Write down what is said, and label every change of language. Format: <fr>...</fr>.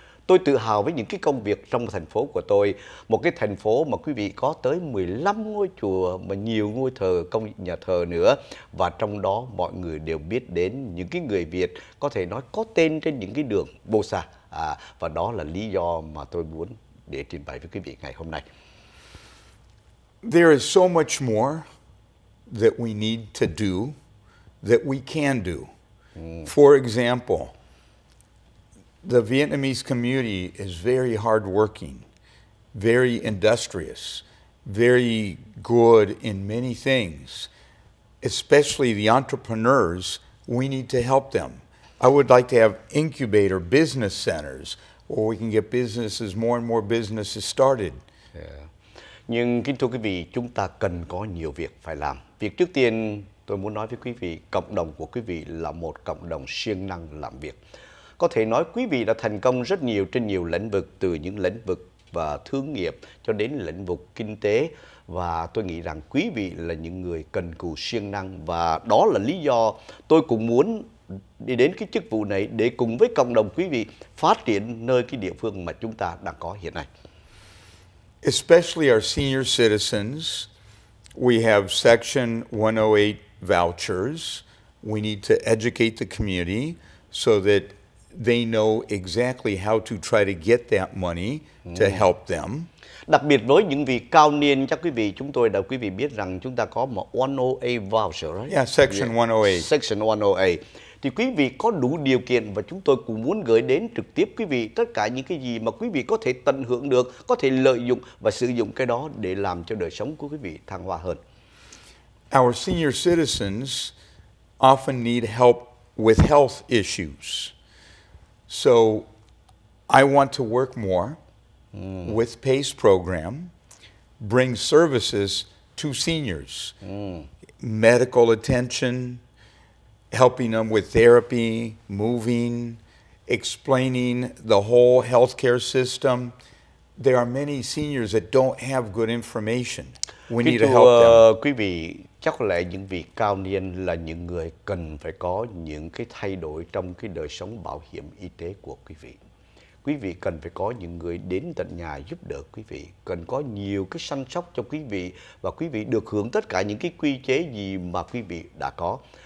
<vi>Tôi tự hào với những cái công việc trong thành phố của tôi, một cái thành phố mà quý vị có tới 15 ngôi chùa mà nhiều ngôi thờ, công nhà thờ nữa và trong đó mọi người đều biết đến những cái người Việt có thể nói có tên trên những cái đường Bosa. Và đó là lý do mà tôi muốn để trình bày với quý vị ngày hôm nay.</vi> <en>There is so much more that we need to do that we can do. For example, the Vietnamese community is very hardworking, very industrious, very good in many things. Especially the entrepreneurs, we need to help them. I would like to have incubator business centers where we can get businesses, more and more businesses started. Yeah.</en> <vi>Nhưng kính thưa quý vị, chúng ta cần có nhiều việc phải làm. Việc trước tiên tôi muốn nói với quý vị, cộng đồng của quý vị là một cộng đồng siêng năng làm việc. Có thể nói quý vị đã thành công rất nhiều trên nhiều lĩnh vực, từ những lĩnh vực và thương nghiệp cho đến lĩnh vực kinh tế. Và tôi nghĩ rằng quý vị là những người cần cù siêng năng và đó là lý do tôi cũng muốn đi đến cái chức vụ này để cùng với cộng đồng quý vị phát triển nơi cái địa phương mà chúng ta đang có hiện nay.</vi> <en>Especially our senior citizens, we have section 108 vouchers. We need to educate the community so that they know exactly how to try to get that money to help them.</en> <vi>Đặc biệt với những vị cao niên, chắc quý vị chúng tôi đã quý vị biết rằng chúng ta có một 108 voucher,</vi> <en>right? Yeah, section 108. Section 108.</en> <vi>Thì quý vị có đủ điều kiện và chúng tôi cũng muốn gửi đến trực tiếp quý vị tất cả những cái gì mà quý vị có thể tận hưởng được, có thể lợi dụng và sử dụng cái đó để làm cho đời sống của quý vị thăng hoa hơn.</vi> <en>Our senior citizens often need help with health issues. So I want to work more with PACE program, bring services to seniors, medical attention, helping them with therapy, moving, explaining the whole healthcare system. There are many seniors that don't have good information. We need to help them.</en> <vi>Quý vị, chắc có lẽ những vị cao niên là những người cần phải có những cái thay đổi trong cái đời sống bảo hiểm y tế của quý vị. Quý vị cần phải có những người đến tận nhà giúp đỡ quý vị, cần có nhiều cái săn sóc cho quý vị và quý vị được hưởng tất cả những cái quy chế gì mà quý vị đã có.</vi>